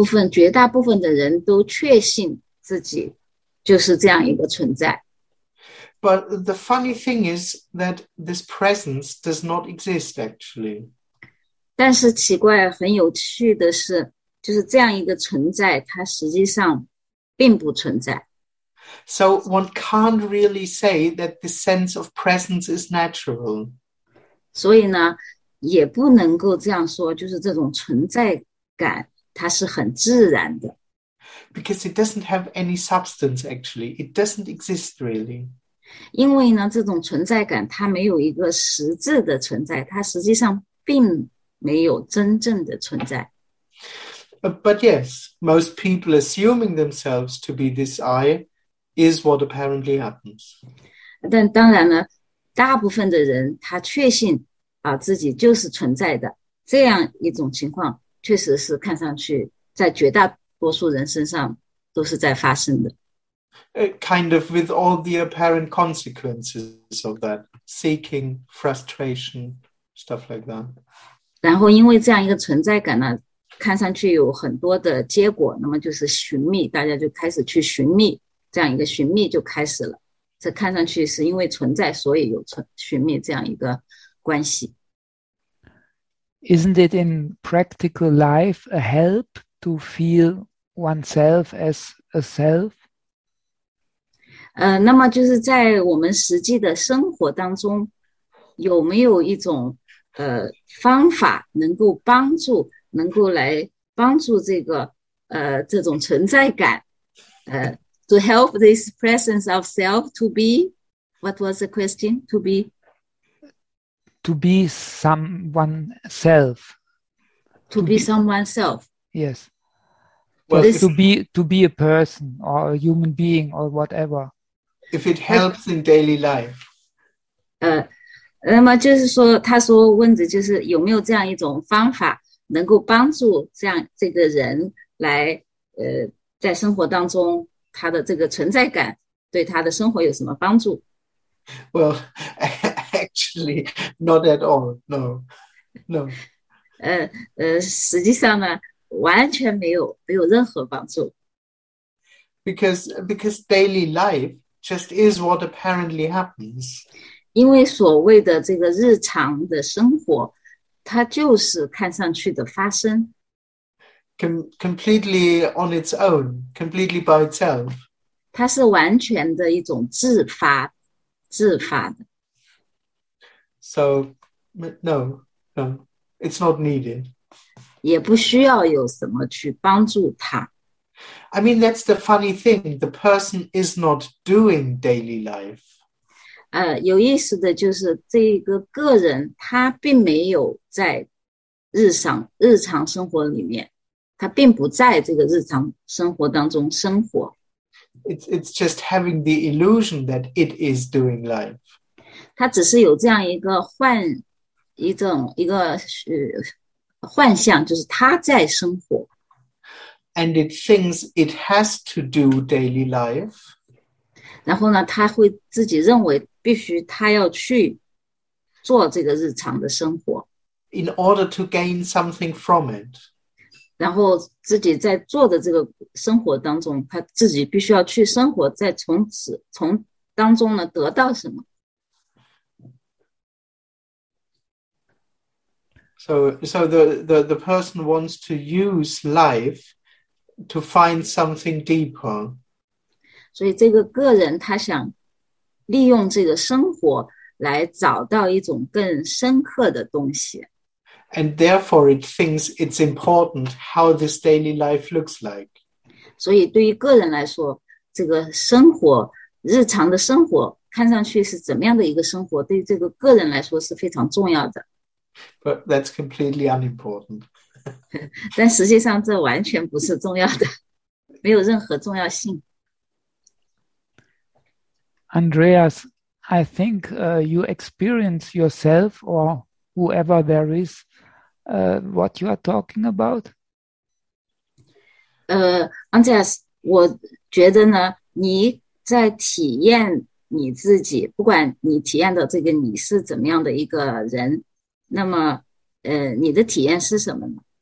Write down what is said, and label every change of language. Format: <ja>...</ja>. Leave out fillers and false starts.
<zh>绝大部分的人都确信自己就是这样一个存在。</zh> <en>But the funny thing is that this presence does not exist actually.</en> <zh>但是奇怪，很有趣的是，就是这样一个存在，它实际上并不存在。</zh> <en>So one can't really say that the sense of presence is natural.</en> <zh>所以呢，也不能够这样说，就是这种存在感，它是很自然的。</zh> <en>Because it doesn't have any substance actually, it doesn't exist really.</en> <zh>因为呢，这种存在感它没有一个实质的存在，它实际上并没有真正的存在。</zh> <en>But yes, most people assuming themselves to be this I is what apparently happens.</en> <zh>但当然呢，大部分的人他确信啊自己就是存在的，这样一种情况确实是看上去在绝大多数人身上都是在发生的。</zh> <en>Kind of with all the apparent consequences of that, seeking, frustration, stuff like that.</en> <zh>然后因为这样一个存在感呢，看上去有很多的结果，那么就是寻觅，大家就开始去寻觅，这样一个寻觅就开始了。这看上去是因为存在，所以有寻觅这样一个关系。</zh> <en>Isn't it in practical life a help to feel oneself as a self?</en> <zh>那么就是在我们实际的生活当中，有没有一种方法能够帮助，能够来帮助这个这种存在感？</zh> <en>To help this presence of self to be, what was the question? To be? To be someone self. To be someone self. Yes. Well, to be a person or a human being or whatever. If it helps in daily life.</en> <zh>那么就是说，他说问的就是有没有这样一种方法能够帮助这个人来在生活当中。他的这个存在感对他的生活有什么帮助？</zh> <en>Well, actually, not at all. No, no.</en> <zh>实际上呢，完全没有任何帮助。</zh> <en>Because daily life just is what apparently happens.</en> <zh>因为所谓的这个日常的生活，它就是看上去的发生。</zh> <en>Completely on its own, completely by itself.</en> <zh>它是完全的一种自发的。</zh> <en>So, no, no, it's not needed.</en> <zh>也不需要有什么去帮助它。</zh> <en>I mean, that's the funny thing. The person is not doing daily life.</en> <zh>有意思的就是这个个人他并没有在日常生活里面，他并不在这个日常生活当中生活。</zh> <en>It's just having the illusion that it is doing life.</en> <zh>它只是有这样一个幻一种一个幻象，就是它在生活。</zh> <en>And it thinks it has to do daily life.</en> <zh>然后呢，它会自己认为必须它要去做这个日常的生活。</zh> <en>In order to gain something from it.</en> <zh>然后自己在做的这个生活当中，他自己必须要去生活，再从当中呢得到什么。</zh> <en>So the person wants to use life to find something deeper.</en> <zh>所以这个个人他想利用这个生活来找到一种更深刻的东西。</zh> <en>And therefore, it thinks it's important how this daily life looks like.</en> <zh>所以对于个人来说，这个生活，日常的生活，看上去是怎么样的一个生活，对于这个个人来说是非常重要的。</zh> <en>But that's completely unimportant.</en> <zh>但实际上这完全不是重要的，没有任何重要性。</zh> <en>Andreas, I think you experience yourself or whoever there is what you are talking about.</en> <zh>Andreas, 我觉得呢，你在体验你自己，不管你体验的这个你是怎么样的一个人，那么你的体验是什么呢？</zh>